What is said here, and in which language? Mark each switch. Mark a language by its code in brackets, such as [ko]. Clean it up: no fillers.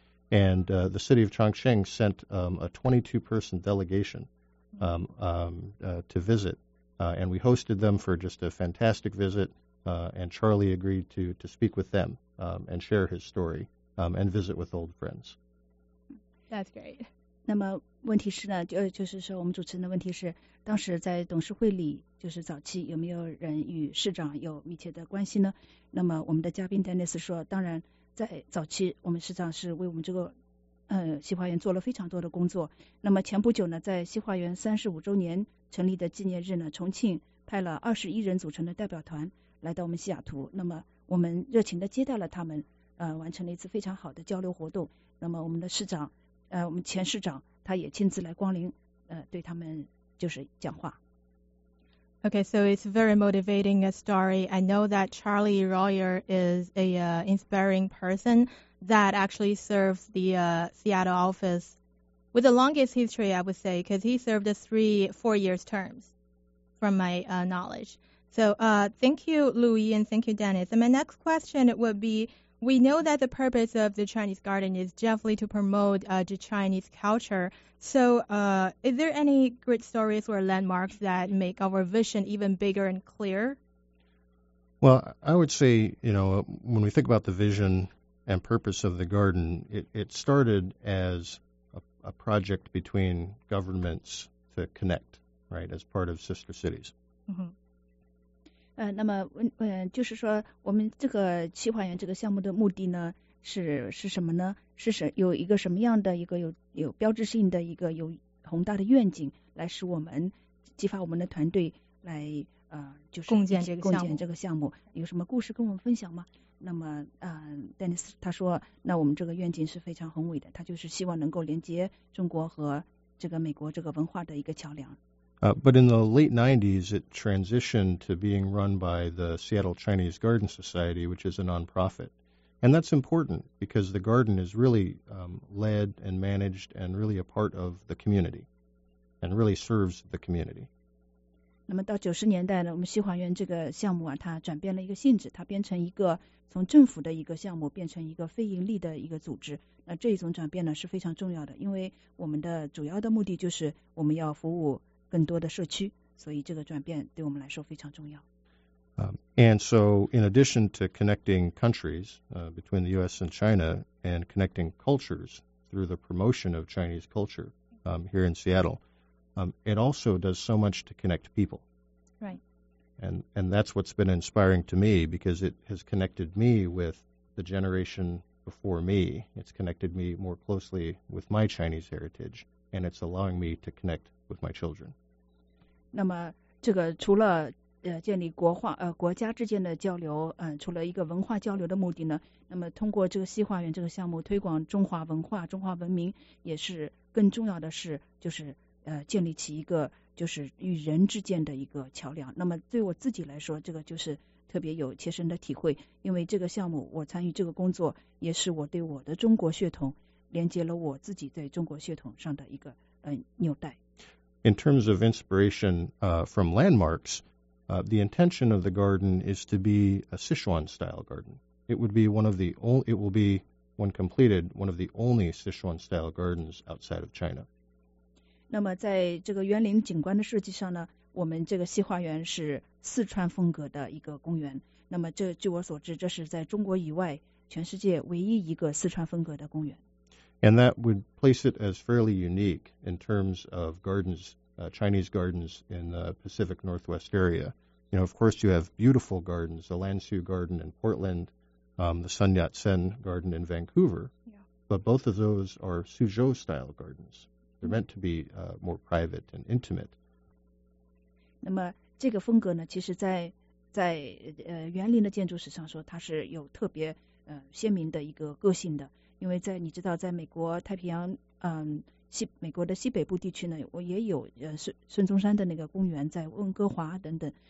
[en] And the city of Chongqing sent a 22-person delegation to visit. And we hosted them for just a fantastic visit. And Charlie agreed to speak with them and share his story and visit with old friends. That's great. [zh] 那么问题是呢，就是说我们主持人的问题是，当时在董事会里，就是早期有没有人与市长有密切的关系呢？那么我们的嘉宾 Dennis 说，当然在早期，我们市长是为我们这个西花园做了非常多的工作。那么前不久呢，在西花园35周年成立的纪念日呢，重庆派了21人组成的代表团来到我们西雅图，那么我们热情地接待了他们，完成了一次非常好的交流活动。那么我们的市长。我们前市长他也亲自来光临，对他们就是讲话。 [en] Okay, so it's very motivating a story. I know that Charlie Royer is a inspiring person that actually serves the Seattle office with the longest history, I would say, because he served a 3-4 years terms, from my knowledge. So thank you, Louis, and thank you, Dennis. And my next question would be,We know that the purpose of the Chinese garden is definitely to promote the Chinese culture. So is there any great stories or landmarks that make our vision even bigger and clearer? Well, I would say, you know, when we think about the vision and purpose of the garden, it started as a project between governments to connect, right, as part of sister cities. Mm-hmm. [zh] 那么就是说我们这个西花园这个项目的目的呢是什么呢是有一个什么样的一个有标志性的一个有宏大的愿景来使我们激发我们的团队来就是共建这个项目有什么故事跟我们分享吗那么Dennis 他说那我们这个愿景是非常宏伟的他就是希望能够连接中国和这个美国这个文化的一个桥梁 [en] But in the late 90s, it transitioned to being run by the Seattle Chinese Garden Society, which is a nonprofit. And that's important because the garden is really led and managed and really a part of the community and really serves the community. [zh] 那么到90年代呢，我们西花园这个项目啊，它转变了一个性质，它变成一个从政府的一个项目变成一个非盈利的一个组织。那这一种转变呢是非常重要的，因为我们的主要的目的就是我们要服务更多的社区，所以这个转变对我们来说非常重要。 [en] And so, in addition to connecting countries between the U.S. and China and connecting cultures through the promotion of Chinese culture here in Seattle, it also does so much to connect people. Right. And that's what's been inspiring to me because it has connected me with the generation before me. It's connected me more closely with my Chinese heritage, and it's allowing me to connect with my children. [zh] 那么这个除了建立国家之间的交流除了一个文化交流的目的呢那么通过这个西花园这个项目推广中华文化中华文明也是更重要的是就是建立起一个就是与人之间的一个桥梁。那么对我自己来说，这个就是特别有切身的体会，因为这个项目我参与这个工作，也是我对我的中国血统连接了我自己在中国血统上的一个纽带。 [en] In terms of inspiration from landmarks, the intention of the garden is to be a Sichuan-style garden. It would be one of the only, it will be, when completed, one of the only Sichuan-style gardens outside of China. [zh] 那么在这个园林景观的设计上呢，我们这个西花园是四川风格的一个公园。那么这据我所知，这是在中国以外全世界唯一一个四川风格的公园。 [en] And that would place it as fairly unique in terms of gardens, Chinese gardens in the Pacific Northwest area. You know, of course, you have beautiful gardens, the Lanzhou Garden in Portland, the Sun Yat-sen Garden in Vancouver. Yeah. But both of those are Suzhou-style gardens. They're meant to be more private and intimate. [zh] 那么这个风格呢，其实在园林的建筑史上说，它是有特别鲜明的一个个性的。因为在你知道，在美国太平洋，美国的西北部地区呢，我也有孙中山的那个公园，在温哥华等等。